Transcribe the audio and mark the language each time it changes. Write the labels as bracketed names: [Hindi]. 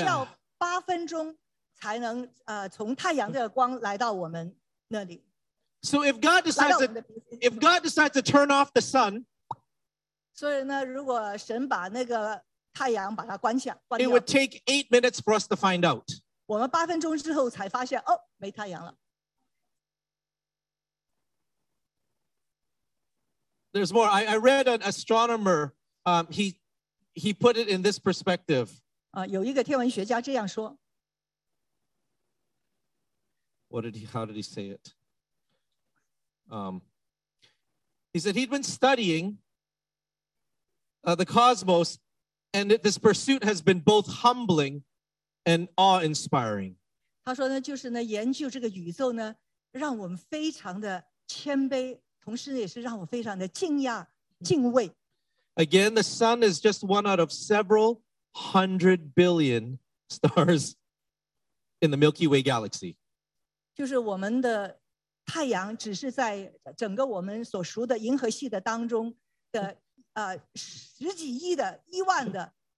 [Chinese] 需要8分钟才能从太阳的光来到我们那里。 [English] So if God decides to turn off the sun, [Chinese] 所以呢,如果神把那个 太阳把它关下, [English] it would take 8 minutes for us to find out. [Chinese] 我们8分钟之后才发现, 哦, 没太阳了。 [English] There's more. I read an astronomer, he put it in this perspective. [Chinese] 有一个天文学家这样说, [English] how did he say it? He said he'd been studying the cosmos. And this pursuit has been both humbling and awe-inspiring. [Chinese] 他说呢,就是呢,研究这个宇宙呢,让我们非常的谦卑,同时也是让我非常的敬仰,敬畏。 [English] Again, the sun is just one out of several hundred billion stars in the Milky Way galaxy. [Chinese] 就是我们的太阳只是在整个我们所熟的银河系的当中的十几亿的,一万的